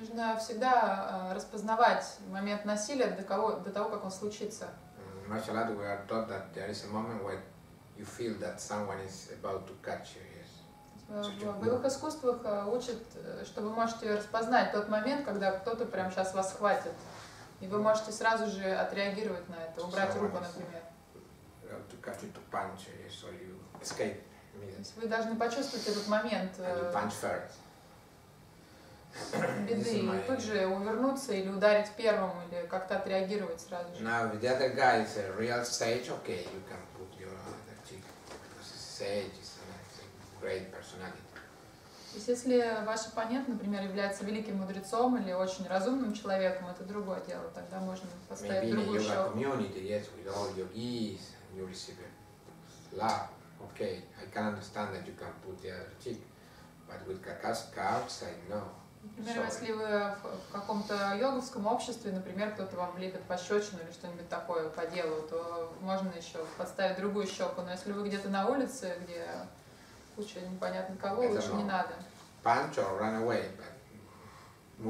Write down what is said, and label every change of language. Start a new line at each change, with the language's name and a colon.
Russian: Нужно всегда распознавать момент насилия до того, как он случится.
English: In martial art, we are taught that there is a moment when you feel that someone is about to catch you. Yes.
Russian: В боевых искусствах учат, что вы можете распознать тот момент, когда кто-то прямо сейчас вас схватит, и вы можете сразу же отреагировать на это, убрать
English: someone
Russian: руку, например.
English: About to catch you, to punch you, so you escape immediately.
Russian: Вы должны почувствовать этот момент.
English: And you punch first.
Russian: Беды, и тут же увернуться или ударить первым, или как-то отреагировать сразу же.
English: Now, if the other guy is a real sage, okay, you can put your other cheek, because sage is a great personality.
Russian: То есть, если ваш оппонент, например, является великим мудрецом или очень разумным человеком, это другое дело, тогда можно поставить
English: Maybe
Russian: другую щеку.
English: Maybe in a yoga community, yes, with all yogis, you receive love. Okay, I can understand that you can put the other cheek, but with kakashka outside, no.
Russian: Например, если вы в каком-то йоговском обществе, например, кто-то вам влепит пощечину или что-нибудь такое по делу, то можно еще подставить другую щеку. Но если вы где-то на улице, где куча непонятно кого, лучше не надо.
English: Punch or run away, but move.